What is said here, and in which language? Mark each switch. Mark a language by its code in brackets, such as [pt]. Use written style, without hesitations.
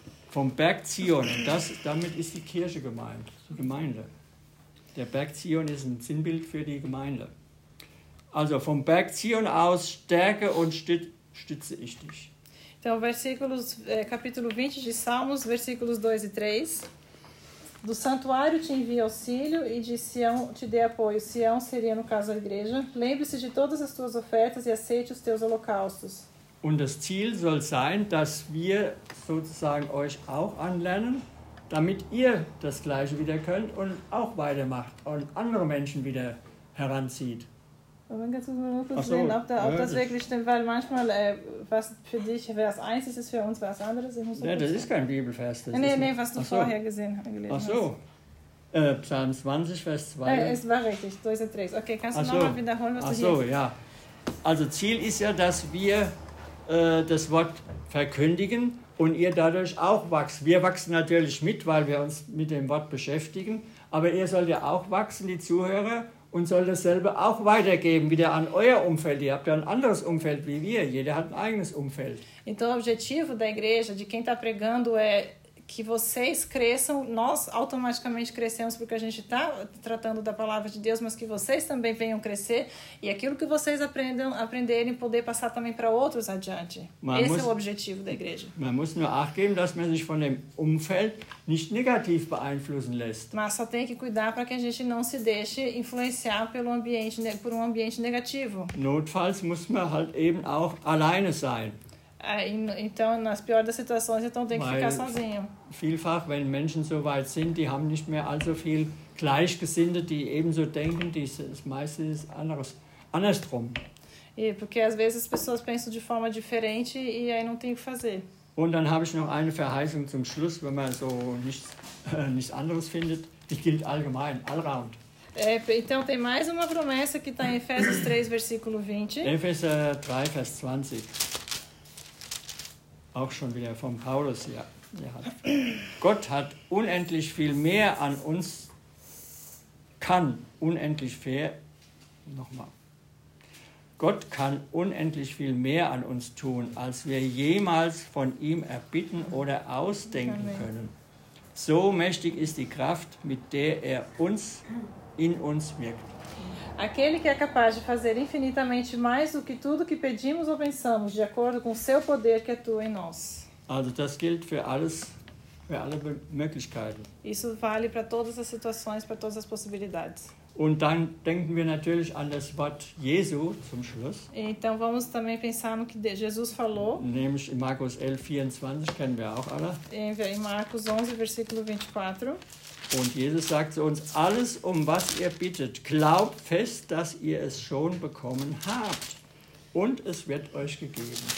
[de] Vom Berg Zion, damit ist die Kirche gemeint, die Gemeinde. Der Berg Zion ist ein Sinnbild für die Gemeinde. Also vom Berg Zion aus stärke und stütze ich dich. [pt] Então, capítulo 20 de Salmos, versículos 2 e 3. Do santuário te envia auxílio e de Sião te dê apoio. Sião seria, no caso, a igreja. Lembre-se de todas as tuas ofertas e aceite os teus holocaustos. [de] Und das Ziel soll sein, dass wir sozusagen euch auch anlernen, damit ihr das Gleiche wieder könnt und auch weitermacht und andere Menschen wieder heranzieht. Ob das wirklich stimmt, weil manchmal was für dich Vers 1 ist, ist für uns was anderes. Ja, das ist kein Bibelvers. Nein, was du vorher gesehen hast. Ach so. Psalm 20, Vers 2. Es war richtig, 2 und 3. Okay, kannst du nochmal wiederholen, was du hier... Ach so, ja. Also Ziel ist ja, dass wir das Wort verkündigen und ihr dadurch auch wächst. Wir wachsen natürlich mit, weil wir uns mit dem Wort beschäftigen, aber ihr sollt ja auch wachsen, die Zuhörer, und soll dasselbe auch weitergeben wieder an euer Umfeld. Ihr habt ja ein anderes Umfeld wie wir. Jeder hat ein eigenes Umfeld. [pt] Então, o objetivo da igreja, de quem está pregando, é que vocês cresçam, nós automaticamente crescemos porque a gente está tratando da palavra de Deus, mas que vocês também venham crescer e aquilo que vocês aprenderem poder passar também para outros adiante. Esse é o objetivo da igreja. [de] Man muss nur acht geben, dass man sich von dem Umfeld nicht negativ beeinflussen lässt. [pt] Mas só tem que cuidar para que a gente não se deixe influenciar pelo ambiente, por um ambiente negativo. [de] Notfalls muss man halt eben auch alleine sein. [pt] Então, nas piores das situações, então tem que ficar sozinho. [de] Vielfach, wenn Menschen so weit sind, die haben nicht mehr allzu viel Gleichgesinnte, die ebenso denken, das meiste ist andersrum. [pt] E porque às vezes as pessoas pensam de forma diferente e aí não tem o que fazer. [de] Und dann habe ich noch eine Verheißung zum Schluss, wenn man so nichts anderes findet, die gilt allgemein, allround. [pt] Então tem mais uma promessa que está em Efésios 3, versículo 20. [de] Epheser 3, Vers 20. Auch schon wieder von Paulus, ja. Gott hat unendlich viel mehr an uns, kann unendlich viel, nochmal. Gott kann unendlich viel mehr an uns tun, als wir jemals von ihm erbitten oder ausdenken können. So mächtig ist die Kraft, mit der er uns, in uns wirkt. [pt] Aquele que é capaz de fazer infinitamente mais do que tudo que pedimos ou pensamos, de acordo com o seu poder que atua em nós. [de] Also das gilt für alles, für alle Möglichkeiten. [pt] Isso vale para todas as situações, para todas as possibilidades. [de] Und dann denken wir natürlich an das Wort Jesu zum Schluss. [pt] Então vamos também pensar no que Jesus falou. [de] Nämlich in Markus 11, 24 kennen wir auch alle. [pt] Em Markus 11, versículo 24. [de] Und Jesus sagt zu uns, alles, um was ihr bittet, glaubt fest, dass ihr es schon bekommen habt. Und es wird euch gegeben.